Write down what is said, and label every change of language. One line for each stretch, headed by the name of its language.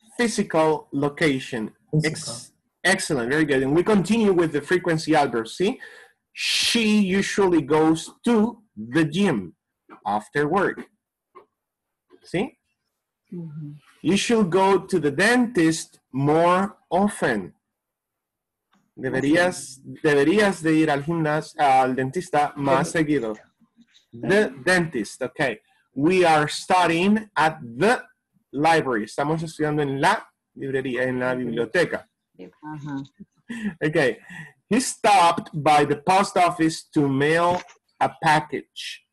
English: Physical location. Excellent. Very good. And we continue with the frequency adverb. See, she usually goes to the gym after work. See, you should go to the dentist more often.
Spanish: Deberías de ir al gimnasio, al dentista más seguido.
English: The dentist. Okay. We are studying at the library.
Spanish: Estamos estudiando en la librería, en la biblioteca.
English: Okay. He stopped by the post office to mail a package.